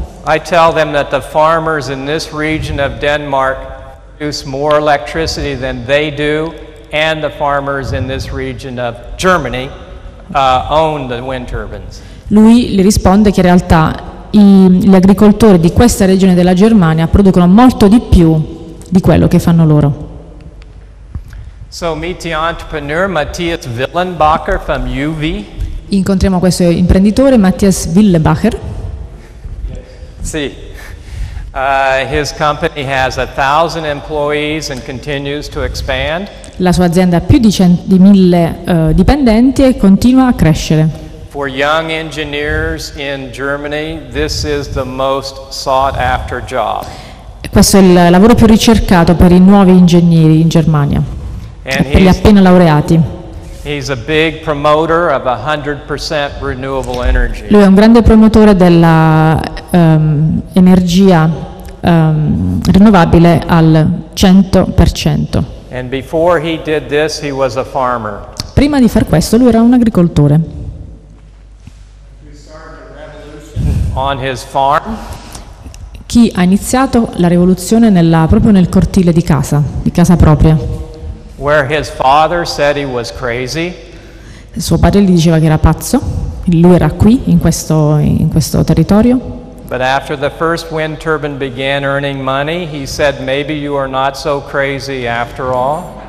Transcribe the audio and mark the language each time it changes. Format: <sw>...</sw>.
<en>I tell them that the farmers in this region of Denmark produce more electricity than they do, and the farmers in this region of Germany own the wind turbines.</en> <it>Lui le risponde che in realtà gli agricoltori di questa regione della Germania producono molto di più di quello che fanno loro.</it> <en>So meet the entrepreneur Matthias Willenbacher from UV.</en> <it>Incontriamo questo imprenditore Matthias Willenbacher. Sì.</it> <en>His company has 1,000 employees and continues to expand.</en> <it>La sua azienda ha più di 1,000 dipendenti e continua a crescere.</it> <en>For young engineers in Germany, this is the most sought after job.</en> <it>Questo è il lavoro più ricercato per i nuovi ingegneri in Germania, per gli appena laureati.</it> <en>He's a big promoter of 100% renewable energy.</en> <it>Lui è un grande promotore della energia rinnovabile al 100%.</it> <en>And before he did this, he was a farmer.</en> <it>Prima di far questo, lui era un agricoltore.</it> <en>On his farm.</en> <it>Chi ha iniziato la rivoluzione proprio nel cortile di casa propria.</it> <en>Where his father said he was crazy.</en> <it>Suo padre gli diceva che era pazzo. Lui era qui in questo territorio.</it> <en>But after the first wind turbine began earning money, he said maybe you are not so crazy after all.</en>